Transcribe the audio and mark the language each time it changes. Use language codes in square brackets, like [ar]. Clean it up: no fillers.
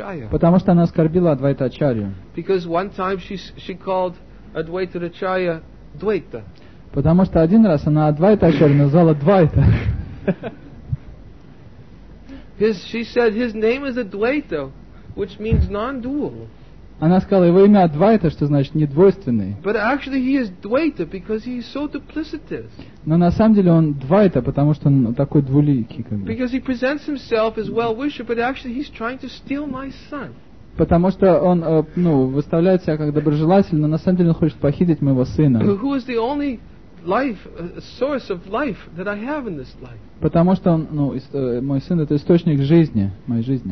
[ru] Потому что она оскорбила Адвайта Ачарью. [en] Because one time she called Advaita Acharya Dvaita. [ru] Потому что один раз она Адвайта Ачарью назвала Двайта. [en] She said his name is Advaita, which means non-dual. [ru] Она сказала, его имя Адвайта, что значит недвойственный. [en] But actually he is Dvaita because he is so duplicitous. [ru] Но на самом деле он Двайта, потому что он такой двуликий, как бы. [en] Because he presents himself as well-wisher, but actually he's trying to steal my son. [ru] Потому что он, ну, выставляет себя как доброжелатель, но на самом деле он хочет похитить моего сына. [en] Who is the only life, source of life that I have in this life? [ru] Потому что он, ну, мой сын — это источник жизни, моей жизни.